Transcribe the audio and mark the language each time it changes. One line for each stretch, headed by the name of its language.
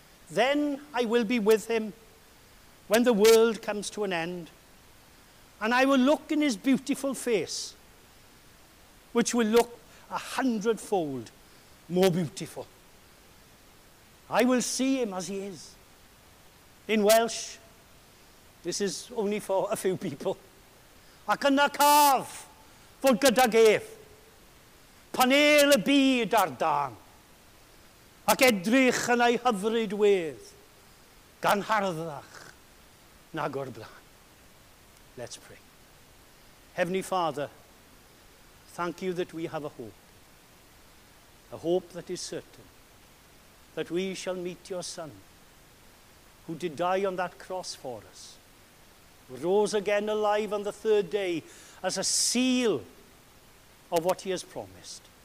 English: Then I will be with him when the world comes to an end, and I will look in his beautiful face, which will look 100-fold more beautiful. I will see him as he is. In Welsh, this is only for a few people.
Welsh: Ac yna caf fod gydag ef, pan el y byd ar dan, ac edrych yn ei hyfryd wedd, gan harddach nag o'r blaen.
English: Let's pray. Heavenly Father, thank you that we have a hope. A hope that is certain, that we shall meet your Son, who did die on that cross for us, who rose again alive on the third day as a seal of what he has promised.